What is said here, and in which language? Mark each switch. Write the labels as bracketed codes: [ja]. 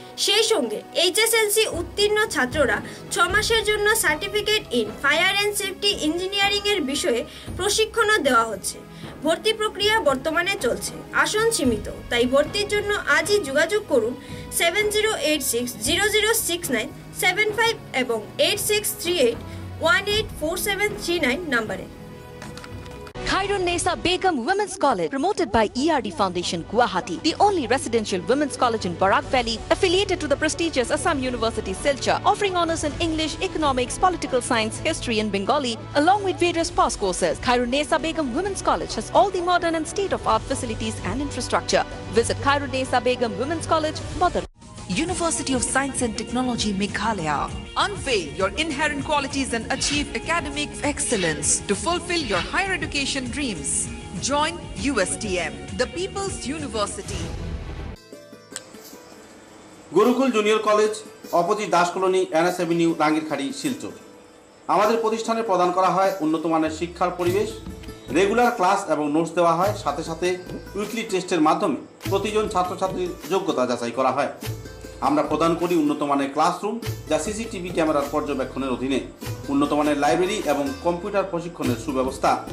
[bn] সেই সঙ্গে HSLC উত্তীর্ণ ছাত্ররা 6 মাসের জন্য certificate in fire and safety engineering এর বিষয়ে প্রশিক্ষণও দেওয়া হচ্ছে। ভর্তি প্রক্রিয়া বর্তমানে চলছে, আসন সীমিত, তাই ভর্তির জন্য আজই যোগাযোগ করুন 7086006975 এবং 8638184739 নম্বরে। [en] Khairun Nesa Begum Women's College, promoted by ERD Foundation Guwahati, the only residential women's college in Barak Valley, affiliated to the prestigious Assam University Silchar, offering honors in English, Economics, Political Science, History and Bengali, along with various past courses. Khairun Nesa Begum Women's College has all the modern and state-of-art facilities and infrastructure. Visit Khairun Nesa Begum Women's College, Madar. University of Science and Technology Meghalaya. Unveil your inherent qualities and achieve academic excellence to fulfill your higher education dreams. Join USTM, the People's University. Gurukul Junior College, opposite Dash Colony, NS Avenue, Rangirkhadi, Silchar. [bn] আমাদের প্রতিষ্ঠানে প্রদান করা হয় উন্নতমানের শিক্ষার পরিবেশ, regular class এবং notes দেওয়া হয়, সাথে সাথে উইকলি টেস্টের মাধ্যমে প্রতিজন ছাত্রছাত্রীর যোগ্যতা যাচাই করা হয়। আমরা প্রদান করি উন্নতমানের ক্লাসরুম যা CCTV ক্যামেরার পর্যবেক্ষণের অধীনে, উন্নতমানের লাইব্রেরি এবং কম্পিউটার প্রশিক্ষণের সুব্যবস্থা।